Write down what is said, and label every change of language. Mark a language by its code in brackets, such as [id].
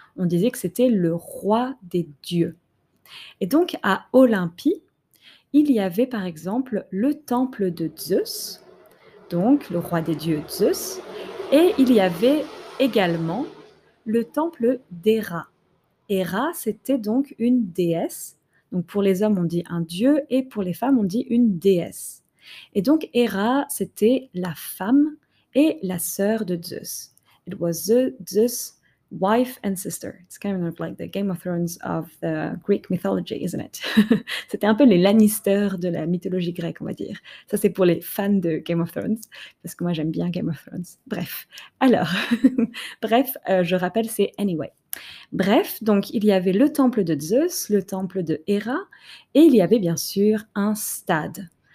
[fr] On disait que c'était le roi des dieux. Et donc à Olympie, il y avait par exemple le temple de Zeus, donc le roi des dieux Zeus, et il y avait également le temple d'Héra. Héra, c'était donc une déesse. Donc pour les hommes, on dit un dieu, et pour les femmes, on dit une déesse. Et donc Héra, c'était la femme et la sœur de Zeus. [en] It was Zeus' wife and sister. It's kind of like the Game of Thrones of the Greek mythology, isn't it? [fr] C'était un peu les Lannister de la mythologie grecque, on va dire. Ça, c'est pour les fans de Game of Thrones, parce que moi, j'aime bien Game of Thrones. Bref. Alors, bref, je rappelle, c'est anyway. Bref, donc il y avait le temple de Zeus, le temple de Héra, et il y avait bien sûr un stade.